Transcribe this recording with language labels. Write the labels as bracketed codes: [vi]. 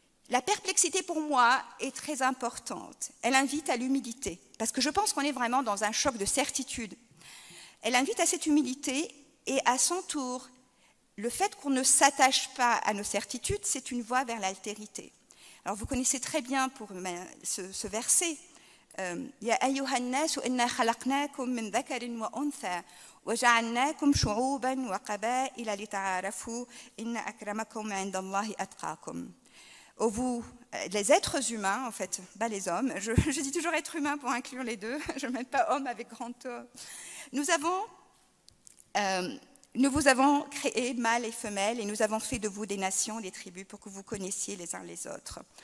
[fr] La perplexité pour moi est très importante. Elle invite à l'humilité, parce que je pense qu'on est vraiment dans un choc de certitude. Elle invite à cette humilité et à son tour, le fait qu'on ne s'attache pas à nos certitudes, c'est une voie vers l'altérité. Alors vous connaissez très bien pour ce verset. [ar] يا أيها الناس إنا خلقناكم من ذكر وأنثى وجعلناكم شعوبا وقبائل لتعارفوا إن أكرمكم عند الله أتقاكم. [fr] Oh vous, les êtres humains, en fait, pas les hommes, je dis toujours être humain pour inclure les deux, je ne mets pas homme avec grand O. Nous vous avons créé mâle et femelle et nous avons fait de vous des nations, des tribus pour que vous connaissiez les uns les autres.